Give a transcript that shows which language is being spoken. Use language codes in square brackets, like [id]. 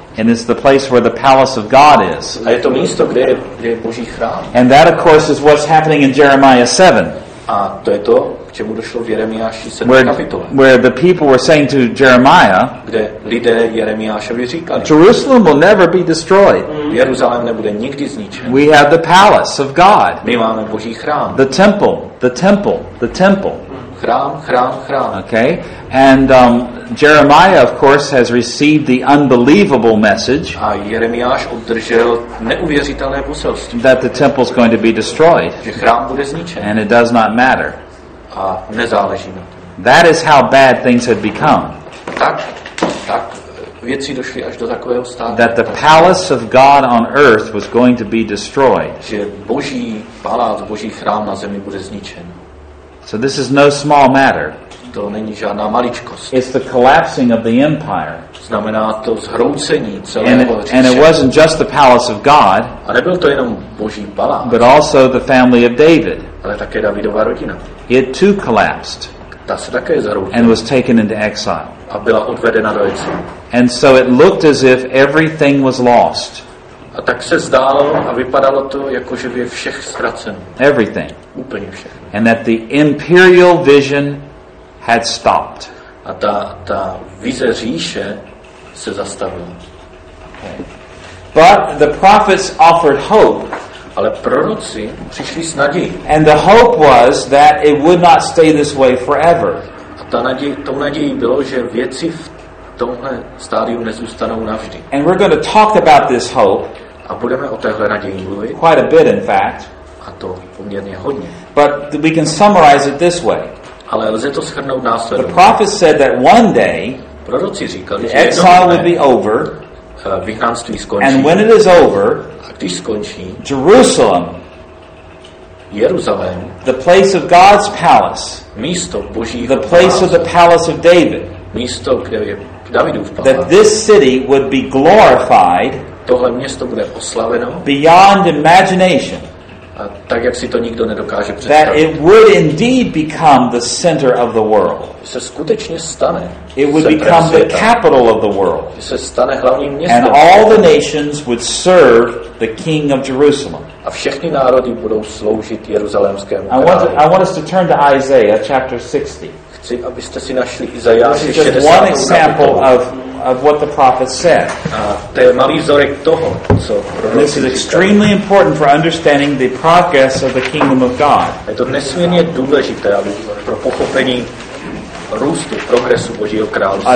[en] And it's the place where the palace of God is. [cs] A je to místo, kde je Boží chrám. [en] And that, of course, is what's happening in Jeremiah 7. [cs] A to je to, k čemu došlo v Jeremiáši 7. kapitole. [en] Where the people were saying to Jeremiah, [cs] kde lidé Jeremiášovi říkali, [en] Jerusalem will never be destroyed. [cs] Jeruzalém nebude nikdy zničen. [en] We have the palace of God. [cs] My máme Boží chrám. [en] The temple. [cs] Chrám, chrám, chrám. [en] Okay. And Jeremiah, of course, has received the unbelievable message. [cs] A Jeremiáš obdržel neuvěřitelné poselství. [en] That the temple is going to be destroyed. [cs] Že chrám bude zničen. [en] And it does not matter. [cs] A nezáleží na to. [en] That is how bad things had become. [cs] Tak věci došly až do takového stavu. [en] That the palace of God on earth was going to be destroyed. [cs] Že Boží palác, Boží chrám na zemi bude zničen. [en] So this is no small matter. [cs] To není žádná maličkost. [en] It's the collapsing of the empire. [cs] Znamená to zhroucení celého říše. [en] And it wasn't just the palace of God. [cs] A nebyl to jenom Boží palác. [en] But also the family of David. [cs] Ale také Davidova rodina. [en] It too collapsed. [cs] Ta se také zhroutila. [en] And was taken into exile. [cs] A byla odvedena do exilu. [en] And so it looked as if everything was lost. [cs] A tak se zdálo a vypadalo to, jako že by je všech ztracen. [en] Everything. [cs] Úplně všech. [en] And that the imperial vision had stopped. [cs] A ta vize říše se zastavila. [en] Okay. But the prophets offered hope. [cs] Ale proroci přišli s nadějí. [en] And the hope was that it would not stay this way forever. [cs] A tou nadějí bylo, že věci v tomhle stádiu nezůstanou navždy. [en] And we're going to talk about this hope. [cs] A budeme o téhle naději mluvit. [en] Quite a bit, in fact. [cs] A to poměrně hodně. [en] But we can summarize it this way. [cs] Ale lze to shrnout následovně. [en] The prophet said that one day, [cs] proroci říkali, [en] the exile would be over. [cs] Vyhnanství skončí. [en] And when it is over, [cs] a když skončí, [en] Jerusalem, [cs] Jeruzalém, [en] the place of God's palace, [cs] místo Božího, [en] the place of the palace of David, [cs] místo, kde je Davidův palác, [en] that this city would be glorified, [cs] tohle město bude oslaveno, [en] beyond imagination. [cs] A tak jak si to nikdo nedokáže představit. [en] That it would indeed become the center of the world. [cs] Se skutečně stane. [en] It would become the capital of the world. [cs] Se stane hlavním městem. [en] And all the nations would serve the King of Jerusalem. [cs] A všechny národy budou sloužit jeruzalémskému králi. [en] I want us to turn to Isaiah chapter 60. [cs] Chci, abyste si našli Izajáše 60. [en] This is just one example of what the prophet said. [cs] To je malý vzorek toho, co proroci říkali. [en] This is extremely important for understanding the progress of the kingdom of God. [cs] Je to nesmírně důležité, aby pro pochopení růstu, progresu Božího království.